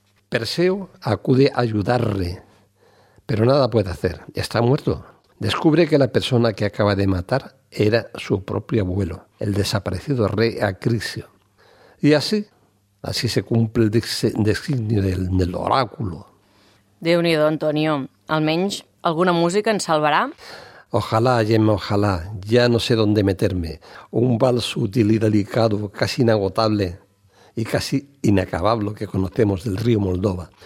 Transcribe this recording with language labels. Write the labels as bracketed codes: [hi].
[es] Perseo acude a ayudarle, pero nada puede hacer, está muerto. Descubre que la persona que acaba de matar era su propio abuelo, el desaparecido rey Acrisio. Y así se cumple el designio del oráculo. [ca] Déu-n'hi-do, Antonio. Almenys alguna música ens salvarà? [es] Ojalá, Gemma, ojalá. Ya no sé dónde meterme. Un vals sutil y delicado, casi inagotable y casi inacabable que conocemos del río Moldova.